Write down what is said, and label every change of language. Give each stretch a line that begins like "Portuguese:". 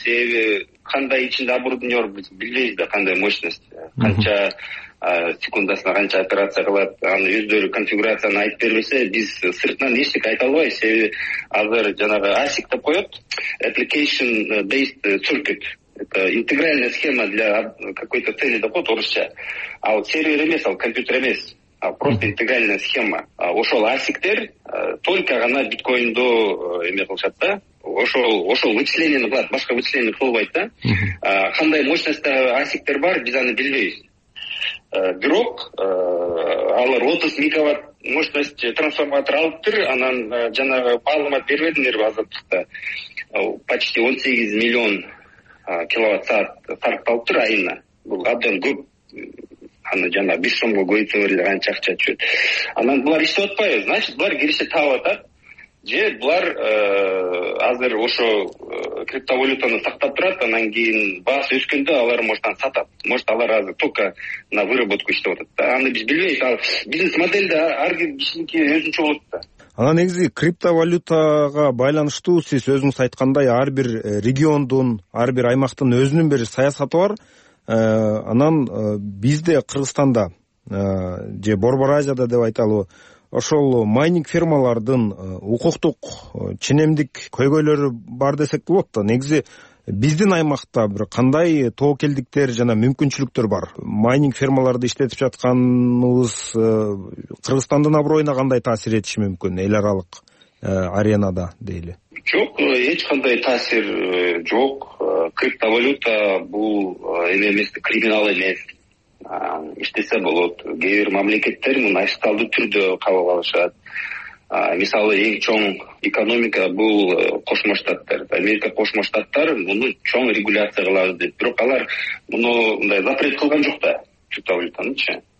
Kyrgyz: Себеби кандай ичинде оборудование биз билбейбиз да, кандай мощность, канча секундасына канча операция кылат, аны өздөрү конфигурацияны айтып бербесе биз сыртынан эчтеке айта албайбыз. Себеби азыр жанагы ASIC деп коет,
English: application based circuit.
Russian: Это интегральная схема для какой-то цели,
Kyrgyz: деп коет орусча. Ал сервер эмес, ал компьютер эмес.
Russian: Просто интегральная схема.
Kyrgyz: Ошол асиктер только гана биткоинду эме кылышат да. Ошол вычислениени кылат, башка вычислениени кылбайт да. Кандай мощностьта асиктер бар, биз аны билбейбиз. Бирок алар 30 мегаватт мощность трансформатор алыптыр, анан жанагы маалымат бербедиңер азаттыкта. Почти 18 миллион киловатт-саат тарталыптыр айына. Бул абдан көп. Аны жана 5 сомго көбөйтүп эле канча акча түшөт. Анан булар иштеп атпайбы, значит булар киреше таап атат же булар азыр ошо криптовалютаны сактап турат, анан кийин баасы өскөндө алар может аны сатат. Может алар азыр только на выработку иштеп атат да. Аны биз билбейбиз, ал бизнес модель да ар кишиники өзүнчө болот да. Анан негизи криптовалютага байланыштуу сиз өзүңүз айткандай ар бир региондун, ар бир аймактын өзүнүн бир саясаты бар. Анан бизде Кыргызстанда же Борбор Азияда деп айталбы, ошол майнинг фермалардын укуктук ченемдик көйгөйлөрү бар десек болот да. Негизи биздин аймакта бир кандай тоокелдиктер жана мүмкүнчүлүктөр бар? Майнинг фермаларды иштетип жатканыбыз Кыргызстандын аброюна кандай таасир этиши мүмкүн эл аралык аренада дейли? Жок, эч кандай таасир жок. Криптовалюта бул эме эмес, криминал эмес. Иштесе болот. Кээ бир мамлекеттер муну официалдуу түрдө кабыл алышат. Мисалы эң чоң экономика бул Кошмо Штаттар. Америка Кошмо Штаттар муну чоң регуляция кылабыз дейт. Бирок алар муну мындай запрет кылган жок да криптовалютанычы.